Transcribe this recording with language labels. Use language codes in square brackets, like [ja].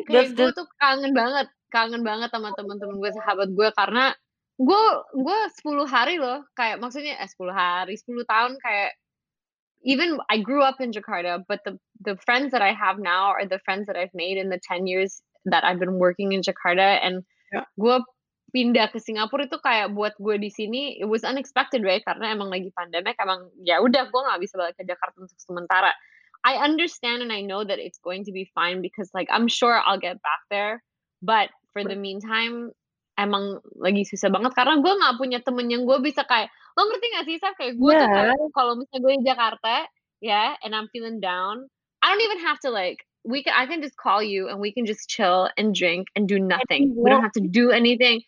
[id] gue tuh kangen banget sama teman-teman gue, sahabat gue, karena Gue 10 hari loh, kayak maksudnya 10 hari, 10 tahun kayak, [en] even I grew up in Jakarta, [id] but the friends that I have now are the friends that I've made in the 10 years that I've been working in Jakarta, and gue pindah ke Singapura itu kayak buat gue di sini, [en] it was unexpected, right? [id] Karena emang lagi pandemic, emang ya udah gue gak bisa balik ke Jakarta untuk sementara. [en] I understand and I know that it's going to be fine because like, I'm sure I'll get back there, but for the meantime, [id] emang lagi susah banget karena gue nggak punya temen yang gue bisa kayak, lo ngerti nggak sih Saf, kayak gue tuh kalau misalnya gue di Jakarta [en] and I'm feeling down, I don't even have to like, I can just call you and we can just chill and drink and do nothing, and we don't have to do anything,